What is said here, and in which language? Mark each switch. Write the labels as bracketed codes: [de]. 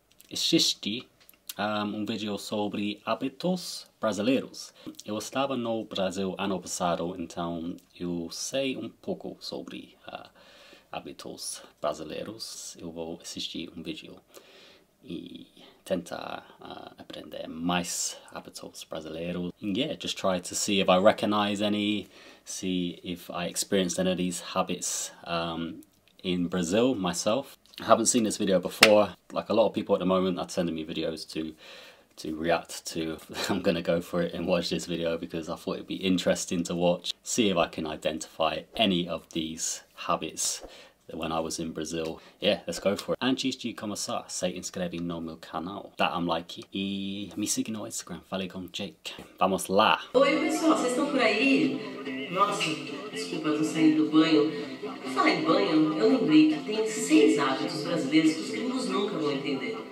[pt] Assistir um vídeo sobre hábitos brasileiros. Eu estava no Brasil ano passado, então eu sei um pouco sobre hábitos brasileiros. Eu vou assistir um vídeo e tentar aprender mais hábitos brasileiros. [en] Yeah, just try to see if I recognize any, see if I experienced any of these habits in Brazil myself. I haven't seen this video before. Like a lot of people at the moment are sending me videos to react to. I'm gonna go for it and watch this video because I thought it'd be interesting to watch. See if I can identify any of these habits when I was in Brazil. Yeah, let's go for it. [pt] Antes de começar, se inscreve no meu canal. Dá um like e me siga no Instagram. Falei com Jake. Vamos lá! Oi, pessoal, vocês estão por aí? Nossa, desculpa, eu tô saindo do banho. Por falar em banho, eu lembrei que tem seis hábitos brasileiros que os gringos nunca vão entender.